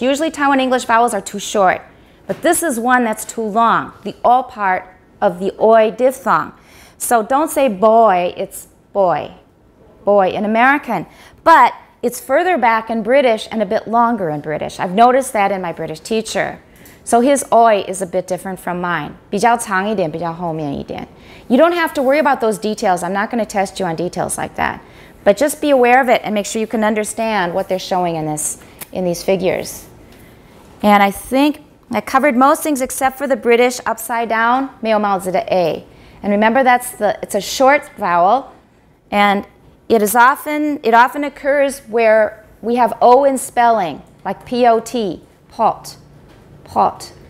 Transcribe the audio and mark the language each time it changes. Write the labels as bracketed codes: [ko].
[en] Usually Taiwan English vowels are too short, but this is one that's too long, the O part of the OI diphthong. So don't say boy, it's boy, boy in American. But it's further back in British and a bit longer in British. I've noticed that in my British teacher. So his OI is a bit different from mine. [zh] 比较长一点，比较后面一点。 [en] You don't have to worry about those details. I'm not going to test you on details like that. But just be aware of it and make sure you can understand what they're showing in these figures. And I think I covered most things except for the British upside down, [zh] 没有帽子的 [en] A. And remember, it's a short vowel. And it often occurs where we have O in spelling, like P-O-T, pot, pot.